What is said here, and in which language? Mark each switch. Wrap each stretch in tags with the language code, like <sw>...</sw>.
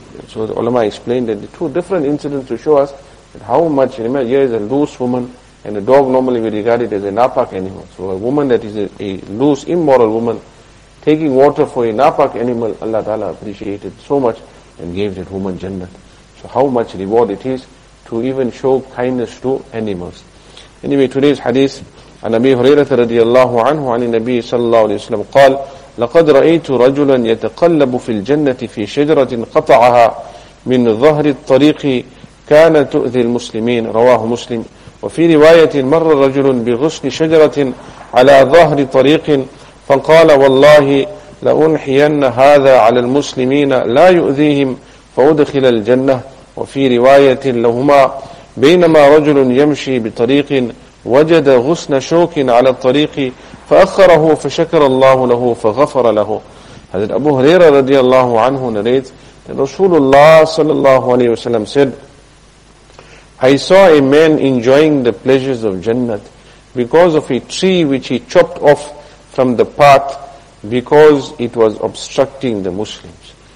<en>So the ulama explained that the two different incidents to show us that how much, remember, here is a loose woman, and a dog normally we regard it as a napak animal. So a woman that is a loose, immoral woman, taking water for a napak animal, Allah Ta'ala appreciated so much and gave that woman Jannah. So how much reward it is to even show kindness to animals. Anyway, today's hadith,</en> <ar>عن أبي هريرة رضي الله عنه عن النبي صلى الله عليه وسلم قال لقد رأيت رجلا يتقلب في الجنة في شجرة قطعها من ظهر الطريق كانت تؤذي المسلمين رواه مسلم وفي رواية مر رجل بغصن شجرة على ظهر طريق فقال والله لأنحين هذا على المسلمين لا يؤذيهم فأدخل الجنة وفي رواية لهما بينما رجل يمشي بطريق وجد غصن شوك على الطريق فأخره فشكر الله له فغفر له.</ar> <en>Hazrat Abu Huraira radiallahu anhu narrates that Rasulullah sallallahu alayhi wa sallam said, I saw a man enjoying the pleasures of Jannat because of a tree which he chopped off from the path because it was obstructing the Muslims.</en>